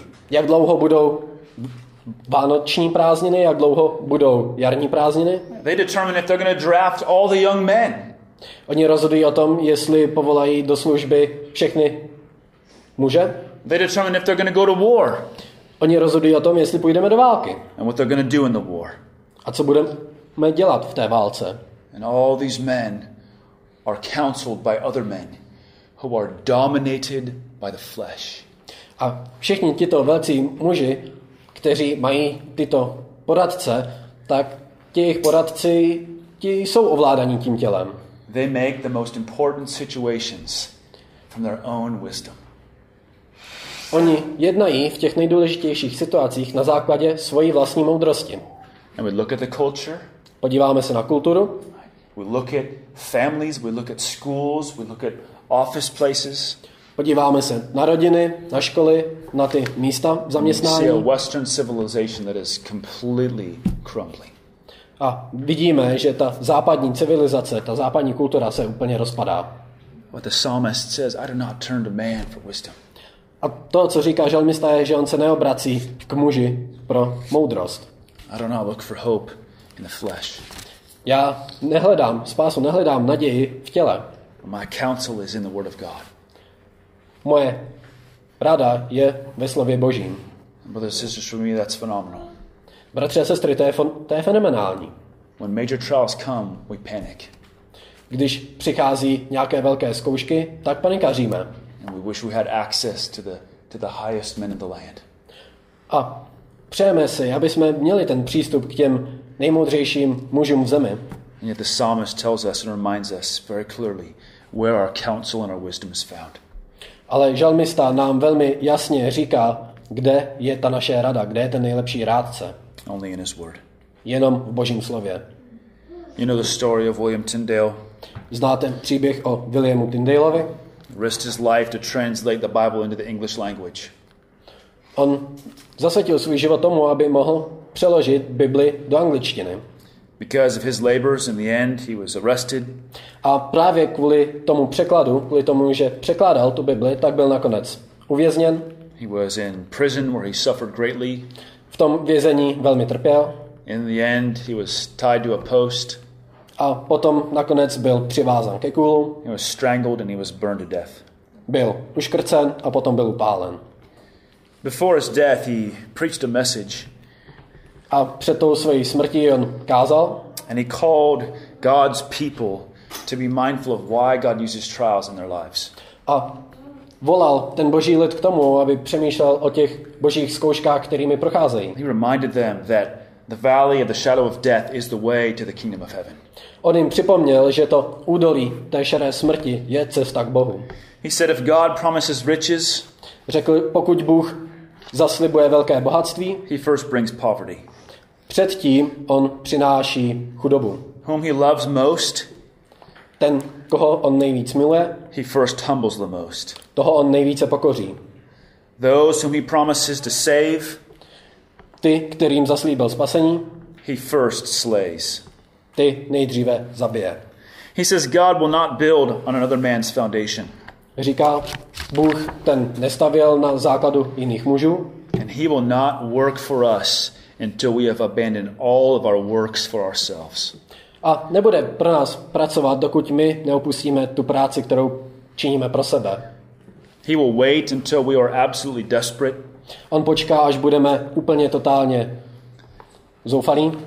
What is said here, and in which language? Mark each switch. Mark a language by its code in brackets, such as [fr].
[cs] Jak dlouho budou vánoční prázdniny, jak dlouho budou jarní prázdniny? [en] They determine if they're going to draft all the young men. [cs] Oni rozhodují o tom, jestli povolají do služby všechny muže. [en] They determine if they're going to go to war. [cs] Oni rozhodují o tom, jestli půjdeme do války. [en] And what they're going to do in the war. [cs] A co budeme dělat v té válce? [en] And all these men are counseled by other men who are dominated by the flesh. [cs] A všichni tito velcí muži, kteří mají tyto poradce, tak těch poradci ti jsou ovládaní tím tělem. [en] They make the most important situations from their own wisdom. [cs] Oni jednají v těch nejdůležitějších situacích na základě svojí vlastní moudrosti. [en] And we look at the culture. [cs] Podíváme se na kulturu. [en] We look at families, we look at schools, we look at office places. [cs] Podíváme se na rodiny, na školy, na ty místa zaměstnání. [en] See a Western civilization that is completely crumbling. [cs] A vidíme, že ta západní civilizace, ta západní kultura se úplně rozpadá. [en] What the psalmist says, I do not turn to man for wisdom. [cs] A to, co říká žalmista, je, že on se neobrací k muži pro moudrost. [en] I do not look for hope in the flesh. [cs] Já nehledám spásu, nehledám naději v těle. [en] My counsel is in the word of God. [cs] Moje rada je ve slově Božím. [en] Brothers and sisters, for me that's phenomenal. [cs] Bratři a sestry, to je fenomenální. [en] When major trials come, we panic. [cs] Když přichází nějaké velké zkoušky, tak panikaříme. [en] And we wish we had access to the highest men in the land. [cs] A přejeme si, aby jsme měli ten přístup k těm nejmoudřejším mužům v zemi. [en] And yet the psalmist tells us and reminds us very clearly where our counsel and our wisdom is found. [cs] Ale žalmista nám velmi jasně říká, kde je ta naše rada, kde je ten nejlepší rádce. [en] Only in his word. [cs] Jenom v Božím slově. [en] You know the story of William Tyndale. [cs] Znáte příběh o Williamu Tyndaleovi? [en] Risked his life to translate the Bible into the English language. [cs] On zasvětil svůj život tomu, aby mohl přeložit Bibli do angličtiny. [en] Because of his labors, in the end, he was arrested. [cs] A právě kvůli tomu překladu, kvůli tomu, že překládal tu Bibli, tak byl nakonec uvězněn. [en] He was in prison where he suffered greatly. [cs] V tom vězení velmi trpěl. [en] In the end, he was tied to a post. [cs] A potom nakonec byl přivázán ke kůlu. [en] He was strangled and he was burned to death. [cs] Byl uškrcen a potom byl upálen. [en] Before his death, he preached a message. [cs] A před tou svojí smrtí on kázal. [en] And he called God's people to be mindful of why God uses trials in their lives. [cs] A volal ten Boží lid k tomu, aby přemýšlel o těch Božích zkouškách, kterými procházejí. [en] He reminded them that the valley of the shadow of death is the way to the kingdom of heaven. [cs] On jim připomněl, že to údolí té šedé smrti je cesta k Bohu. [en] He said if God promises riches, [cs] řekl, pokud Bůh zaslibuje velké bohatství, [en] he first brings poverty. [cs] Předtím on přináší chudobu. [en] Whom he loves most, [cs] ten, koho on nejvíc miluje, [en] he first humbles the most. [cs] Toho on nejvíce pokoří. [en] Those whom he promises to save, [cs] ty, kterým zaslíbil spasení, [en] he first slays. [cs] Ty nejdříve zabije. [en] He says God will not build on another man's foundation. [cs] Říká, Bůh ten nestavěl na základu jiných mužů. [en] And he will not work for us until we have abandoned all of our works for ourselves. [cs] A nebude pro nás pracovat, dokud my neopustíme tu práci, kterou činíme pro sebe. [en] He will wait until we are absolutely desperate. [cs] On počká, až budeme úplně totálně zoufalí,